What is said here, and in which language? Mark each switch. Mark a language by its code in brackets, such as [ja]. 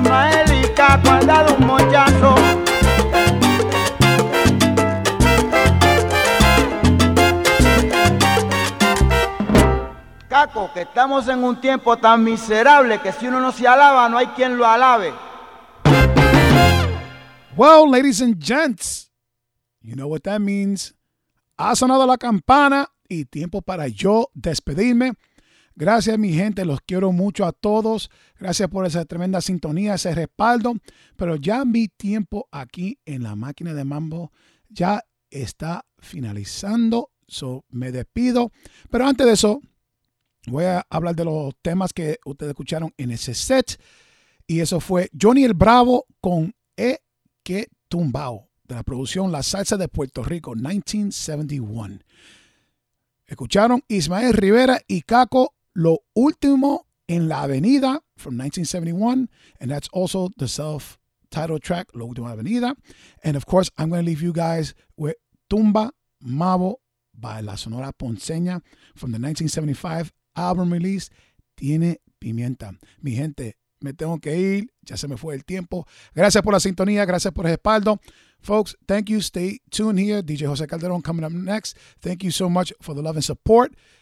[es] Mael y Caco han dado un mochazo. Caco, que estamos en un tiempo tan miserable que si uno no se alaba, no hay quien lo alabe. [en] Well, ladies and gents, you know what that means. [es] Ha sonado la campana y tiempo para yo despedirme. Gracias, mi gente. Los quiero mucho a todos. Gracias por esa tremenda sintonía, ese respaldo. Pero ya mi tiempo aquí en la máquina de Mambo ya está finalizando. So, me despido. Pero antes de eso, voy a hablar de los temas que ustedes escucharon en ese set. Y eso fue Johnny el Bravo con E. Que Tumbao, de la producción La Salsa de Puerto Rico, 1971. [en] Escucharon Ismael Rivera y Caco, Lo Último en la Avenida, from 1971. And that's also the self-titled track, Lo Último en la Avenida. And of course, I'm going to leave you guys with Tumba Mambo by La Sonora Ponceña, from the 1975 album release, Tiene Pimienta. [es] Mi gente, me tengo que ir, ya se me fue el tiempo. Gracias por la sintonía, gracias por el respaldo. [en] Folks, thank you, stay tuned here. DJ José Calderón coming up next. Thank you so much for the love and support.